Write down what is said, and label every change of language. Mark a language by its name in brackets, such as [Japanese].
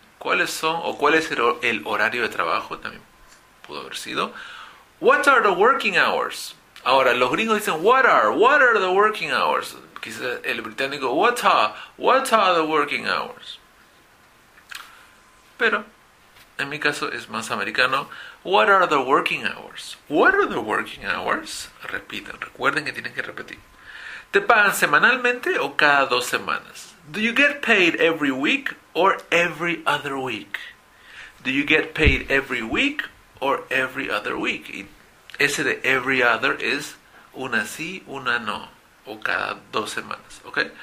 [Spanish] ¿Cuáles son o cuál es el horario de trabajo? También pudo haber sido. [English] What are the working hours? [Spanish] Ahora, los gringos dicen, [English] what are the working hours? [Spanish] Quizás el británico, [English] what are the working hours? [Spanish] Pero, en mi caso es más americano, [English] what are the working hours? [Spanish] What are the working hours? Repiten, recuerden que tienen que repetir. ¿Te pagan semanalmente o cada 2 semanas? [English] Do you get paid every week or every other week? Do you get paid every week or every other week? [Spanish] Y ese de [English] every other [Spanish] es una sí, una no. O cada 2 semanas, ¿ok?